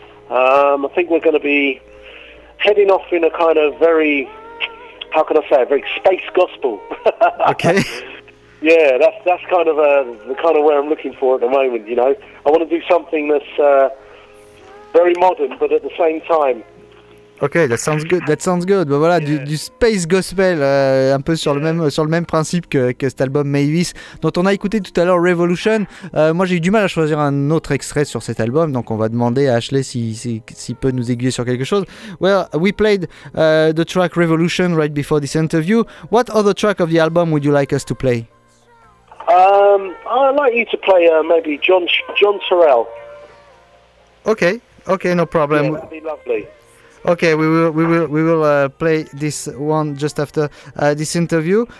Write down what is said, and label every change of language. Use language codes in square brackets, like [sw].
[en] I think we're going to be heading off in a kind of very, how can I say, a very space gospel. Okay. Yeah, that's kind of the kind of way I'm looking for at the moment, you know. I want to do something that's very modern, but at the same time, okay, that sounds good. [fr] Bah voilà, [en] yeah. [fr] du space gospel, un peu sur le même principe que cet album Mavis, dont on a écouté tout à l'heure Revolution. Moi, j'ai eu du mal à choisir un autre extrait sur cet album, donc on va demander à Ashley s'il peut nous aiguiller sur quelque chose. [en] Well, we played the track Revolution right before this interview. What other track of the album would you like us to play? I'd like you to play maybe John Terrell. Okay, no problem. Yeah, that'd be lovely. Okay, we will play this one just after this interview.